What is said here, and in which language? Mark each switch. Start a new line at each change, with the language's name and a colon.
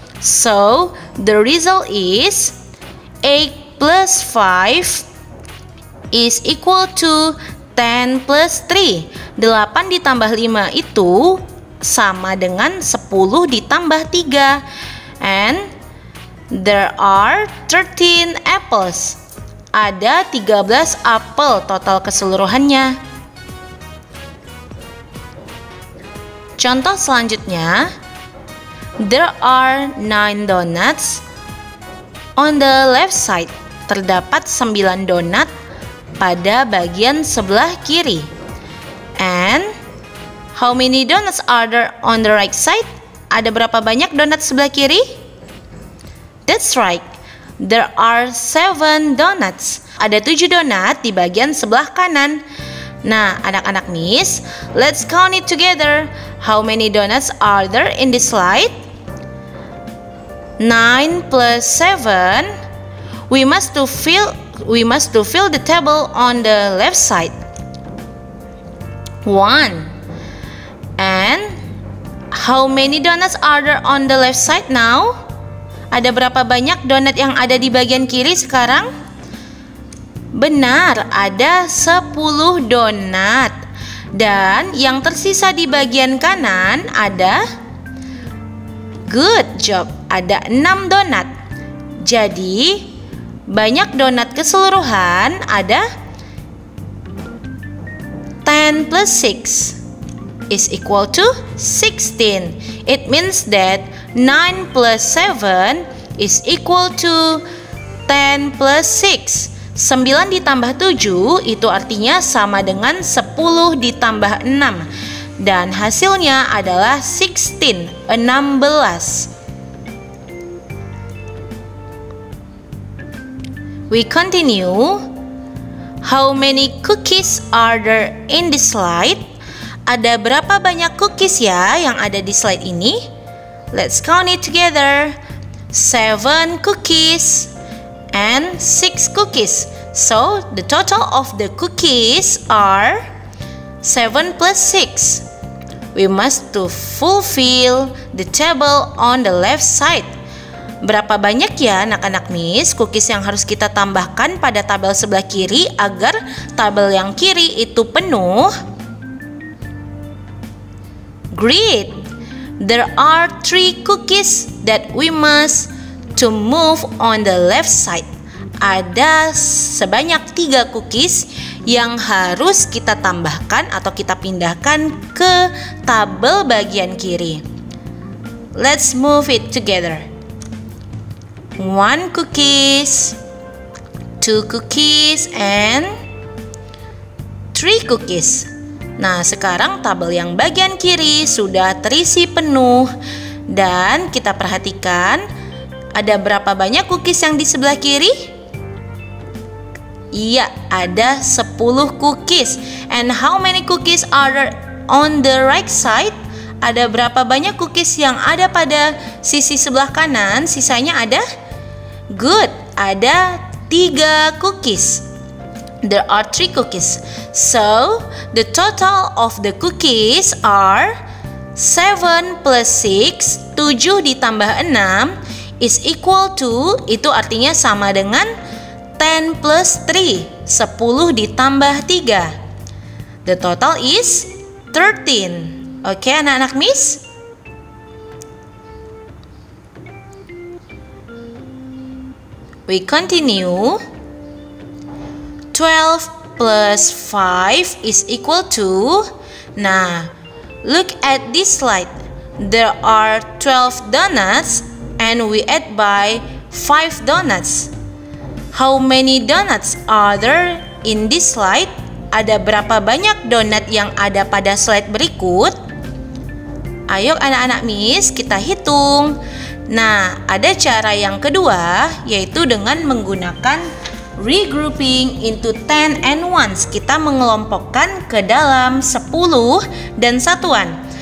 English: So, the result is 8 plus 5 is equal to 10 plus 3.
Indonesian: 8 ditambah 5 itu sama dengan 10 ditambah 3.
English: And there are 13 apples.
Indonesian: Ada 13 apel total keseluruhannya.
English: Contoh selanjutnya, there are 9 donuts on the left side.
Indonesian: Terdapat 9 donat pada bagian sebelah kiri.
English: And how many donuts are there on the right side?
Indonesian: Ada berapa banyak donat sebelah kiri?
English: That's right. There are 7 donuts.
Indonesian: Ada 7 donat di bagian sebelah kanan.
English: Nah, anak-anak Miss, let's count it together. How many donuts are there in this slide? 9 plus 7, we must fill the table on the left side. 1. And how many donuts are there on the left side now?
Indonesian: Ada berapa banyak donat yang ada di bagian kiri sekarang? Benar, ada 10 donat. Dan yang tersisa di bagian kanan ada, good job, ada 6 donat. Jadi, banyak donat keseluruhan ada 10 plus 6 is equal to 16.
English: It means that 9 plus 7 is equal to 10 plus 6.
Indonesian: 9 ditambah 7 itu artinya sama dengan 10 ditambah 6. Dan hasilnya adalah 16.
English: We continue. How many cookies are there in this slide?
Indonesian: Ada berapa banyak cookies ya yang ada di slide ini?
English: Let's count it together. 7 cookies and 6 cookies. So, the total of the cookies are 7 plus 6. We must to fulfill the table on the left side.
Indonesian: Berapa banyak ya anak-anak Miss cookies yang harus kita tambahkan pada tabel sebelah kiri agar tabel yang kiri itu penuh?
English: Great. There are 3 cookies that we must to move on the left side.
Indonesian: Ada sebanyak 3 cookies yang harus kita tambahkan atau kita pindahkan ke tabel bagian kiri.
English: Let's move it together. 1 cookies, 2 cookies, and 3 cookies.
Indonesian: Nah, sekarang tabel yang bagian kiri sudah terisi penuh. Dan kita perhatikan, ada berapa banyak cookies yang di sebelah kiri? Iya, ada 10 cookies.
English: And how many cookies are on the right side?
Indonesian: Ada berapa banyak cookies yang ada pada sisi sebelah kanan? Sisanya ada? Good, ada 3 cookies.
English: There are 3 cookies. So, the total of the cookies are 7 plus 6, 7 ditambah 6 is equal to, itu artinya sama dengan 10 plus 3, 10 ditambah 3. The total is 13. Oke, anak-anak Miss? We continue. 12 plus 5 is equal to, nah, look at this slide. There are 12 donuts and we add by 5 donuts. How many donuts are there in this slide?
Indonesian: Ada berapa banyak donat yang ada pada slide berikut? Ayo anak-anak Miss, kita hitung. Nah, ada cara yang kedua, yaitu dengan menggunakan regrouping into 10 and 1. Kita mengelompokkan ke dalam 10 dan satuan.